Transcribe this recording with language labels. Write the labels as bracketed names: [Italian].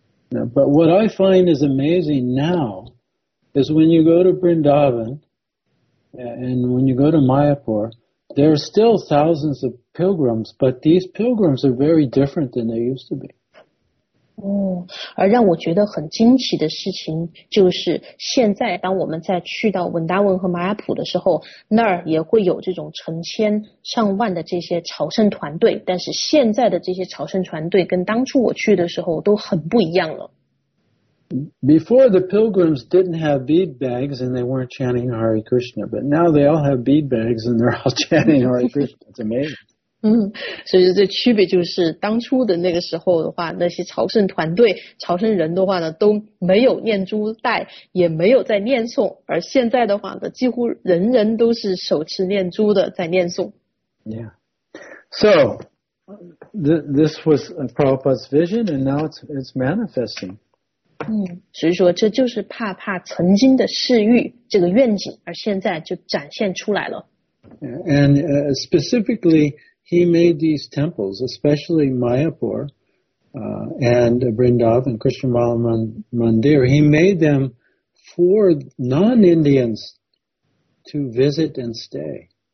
[English] Now, but what I find is amazing now is when you go to Vrindavan and when you go to Mayapur, there are still thousands of pilgrims, but these pilgrims are very different than they used to be. [Chinese] 而让我觉得很惊奇的事情就是现在当我们在去到文达文和马亚普的时候，那儿也会有这种成千上万的这些朝圣团队，但是现在的这些朝圣团队跟当初我去的时候都很不一样了。 [English] Before, the pilgrims didn't have bead bags and they weren't chanting Hare Krishna, but now they all have bead bags and they're all chanting Hare Krishna. It's amazing. [Chinese] 所以这区别就是当初的那个时候的话，那些朝圣团队朝圣人的话呢，都没有念珠带，也没有在念诵，而现在的话呢，几乎人人都是手持念珠的在念诵。 [English] Yeah, so this was Prabhupada's vision and now it's manifesting. [Chinese] 所以说这就是帕帕曾经的誓欲这个愿景，而现在就展现出来了。 [English] And specifically,He made these temples, especially Mayapur, and Vrindavan, Krishna Balaram Mandir, he made them for non-Indians to visit and stay.